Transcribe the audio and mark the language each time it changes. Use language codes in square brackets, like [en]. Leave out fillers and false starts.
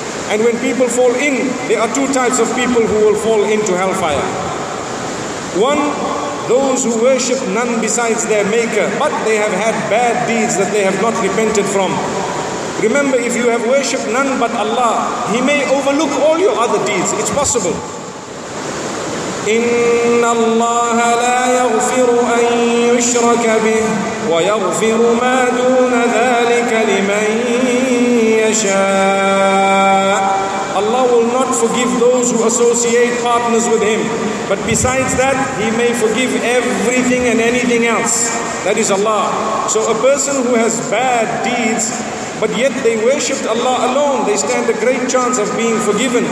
[en] And when people fall in, there are two types of people who will fall into hellfire. One, those who worship none besides their maker, but they have had bad deeds that they have not repented from. Remember, if you have worshipped none but Allah, He may overlook all your other deeds. It's possible. [ar] إن الله لا يغفر أن يشرك به ويغفر ما دون ذلك لمن يشاء. [en] Allah will not forgive those who associate partners with Him. But besides that, He may forgive everything and anything else. That is Allah. So a person who has bad deeds, but yet they worshipped Allah alone, they stand a great chance of being forgiven.